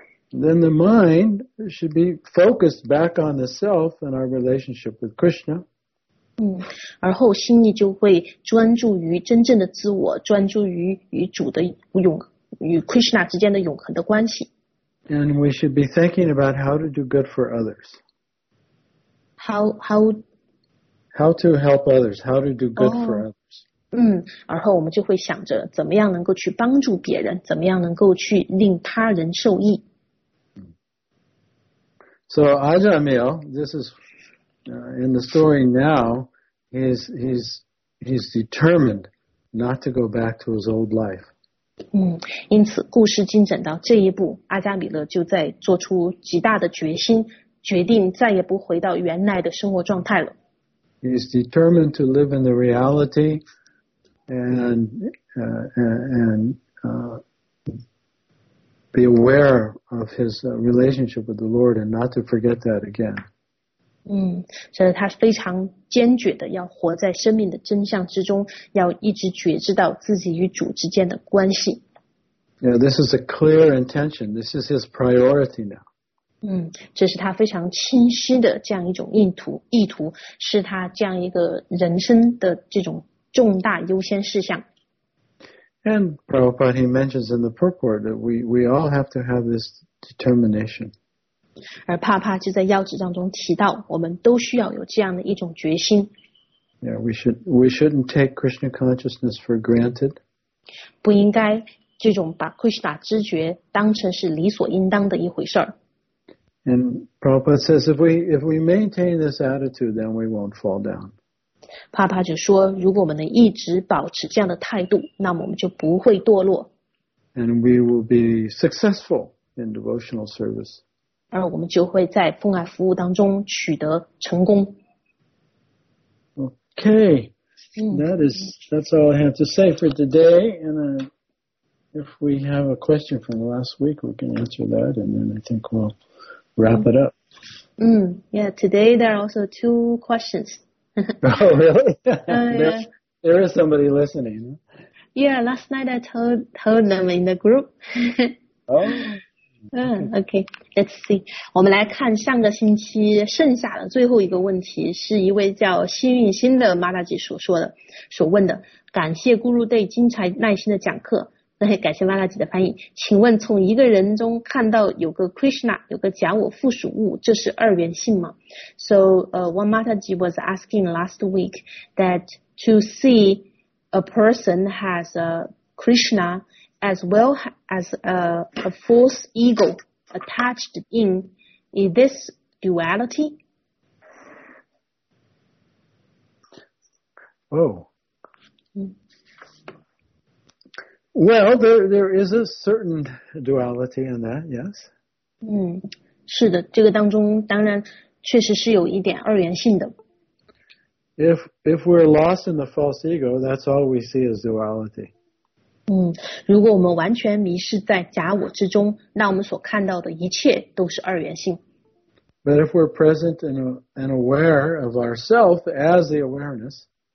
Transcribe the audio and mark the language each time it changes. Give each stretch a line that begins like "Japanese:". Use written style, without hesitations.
English: Then the mind should be focused back on the self and our relationship with Krishna.
Chinese: 而后心意就会专注于真正的自我，专注于与主的永与 Krishna 之间的永恒的关系。
English: And we should be thinking about how to do good for others. How to help others, how to do good for others.
Chinese: 而后我们就会想着怎么样能够去帮助别人，怎么样能够去令他人受益。
English: So Ajamil, this is, in the story now, he's determined not to go back to his old life.
Chinese: 因此故事进展到这一步，阿加米勒就在做出极大的决心，决定再也不回到原来的生活状态了。
English: He is determined to live in the reality and be aware of his relationship with the Lord and not to forget that again.
Chinese: 所以他非常坚决的要活在生命的真相之中，要一直觉知到自己与主之间的关系。
English: Yeah, this is a clear intention. This is his priority now.
Chinese: 这是他非常清晰的这样一种意图，是他这样一个人生的这种重大优先事项。
English: And Prabhupada, he mentions in the purport that we all have to have this determination.
Chinese: 而帕帕就在要旨当中提到，我们都需要有这样的一种决心。
English: Yeah, we shouldn't take Krishna consciousness for granted.
Chinese: 不应该这种把 Krishna 知觉当成是理所应当的一回事儿。
English: And Prabhupada says, if we maintain this attitude, then we won't fall down.
Chinese: 帕帕就说，如果我们能一直保持这样的态度，那么我们就不会堕落。
English: And we will be successful in devotional service.
Chinese: 而我们就会在奉爱服务当中取得成功。
English: Okay, that's all I have to say for today. And if we have a question from last week, we can answer that, and then I think we'll wrap it up. Yeah, today there are also two questions. Oh, really? Yeah. There is somebody listening. Yeah, last night I told them in the group. Okay, let's see.
Chinese: 我们来看上个星期剩下的最后一个问题，是一位叫幸运星的 Mataji 所问的。感谢 Guru Day 精彩耐心的讲课。感谢 Mataji 的翻译。请问从一个人中看到有个 Krishna, 有个假我附属物，这是二元性吗？
English: So, one Mataji was asking last week that to see a person has a Krishna as well as a false ego attached in, is this duality? Well, there is a certain duality in that, yes.
Chinese: 是的，这个当中当然确实是有一点二元性的。
English: if we're lost in the false ego, that's all we see is duality.
Chinese: 如果我们完全迷失在假我之中，那我们所看到的一切都是二元性。
English: But if we're present and aware of ourself as the awareness,